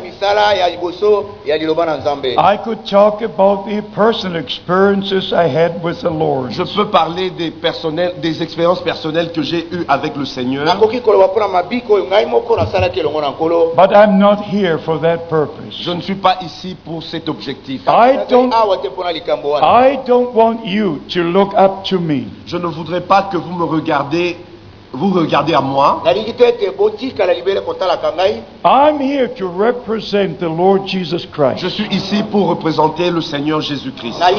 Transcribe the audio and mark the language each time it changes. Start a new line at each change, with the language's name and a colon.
English: I could talk about the personal experiences I had with the Lord.
French: Je peux parler des expériences personnelles que j'ai eues avec le Seigneur.
English: But I'm not here for that purpose.
French: Je ne suis pas ici pour cet objectif.
English: I don't want you to look up to me.
French: Je ne voudrais pas que vous me regardiez. Vous regardez à moi.
English: I'm here to represent the Lord Jesus Christ.
French: Je suis ici pour représenter le Seigneur Jésus-Christ.